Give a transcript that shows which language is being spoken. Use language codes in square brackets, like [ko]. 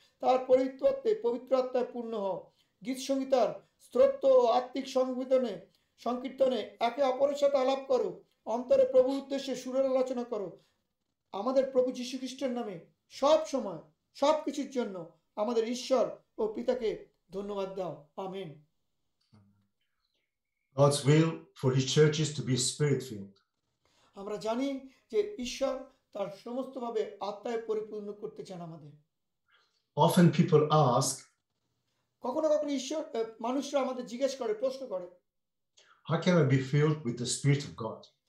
[bn] তার পরিত্রাত্তে পবিত্র আত্মায় পূর্ণ হও। গীত সংহিতার স্তোত্র ও আত্মিক সংবিধানে সংকীর্তনে একে অপরের সাথে আলাপ করো। অন্তরে প্রভু উদ্দেশ্যে সুরের আলোচনা করো। আমাদের প্রভু যীশু খ্রিস্টের নামে সব সময় সব কিছুর জন্য আমাদের ঈশ্বর ও পিতাকে ধন্যবাদ দাও। আমিন। [en] God's will for his church is to be spirit-filled. [bn] আমরা জানি যে ঈশ্বর তার সমস্তভাবে আত্মায় পরিপূর্ণ করতে চান আমাদের। [en] Often people ask, [bn] কখনো কখনো ঈশ্বর মানুষরা আমাদের জিজ্ঞেস করে, প্রশ্ন করে, [en] How can I be filled with the Spirit of God?